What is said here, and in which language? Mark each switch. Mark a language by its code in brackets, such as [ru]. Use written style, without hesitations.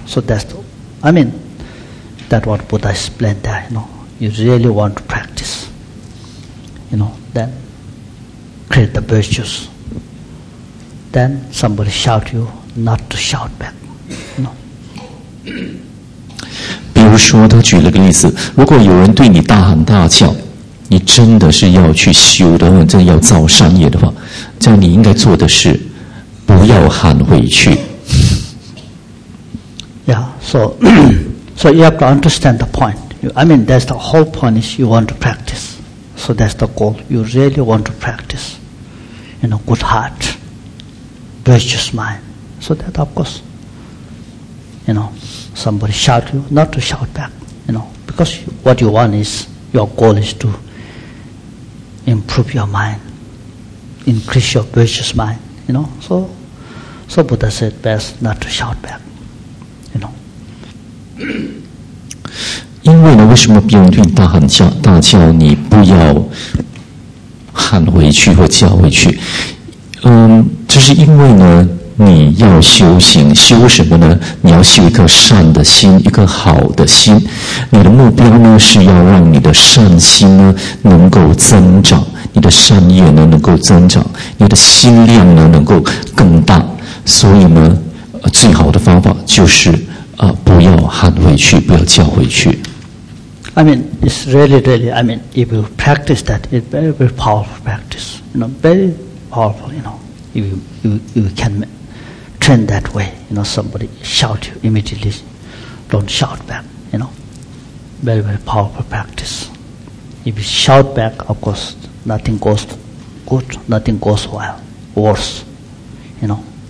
[en] So that's what Buddha explained there, you know. You really want to practice, you know, then create the virtues. Then somebody shout you not to shout back. No. [zh] 比如说，他举了个例子：如果有人对你大喊大叫，你真的是要去修的话，真的要造善业的话，这样你应该做的是不要喊回去。 [en] Yeah. So you have to understand the point. That's the whole point. Is you want to practice. So that's the goal. You really want to practice. You know, good heart. Virtuous mind. So that, of course, you know, somebody shout you, not to shout back, you know, because what you want is, your goal is to improve your mind, increase your virtuous mind, you know. So Buddha said best not to shout back, you know. [zh] 因为呢，为什么别人对你大喊大叫，你不要喊回去或叫回去？这是因为呢，你要修行，修什么呢？你要修一颗善的心，一颗好的心。你的目标呢，是要让你的善心呢能够增长，你的善业呢能够增长，你的心量呢能够更大。所以呢，最好的方法就是不要喊回去，不要叫回去。 [en] I mean, if you practice that, it's very, very powerful practice. You know, very powerful. You know. You can train that way, you know, somebody shout you immediately, don't shout back, you know. Very, very powerful practice. If you shout back, of course, nothing goes good, nothing goes well, worse, you know.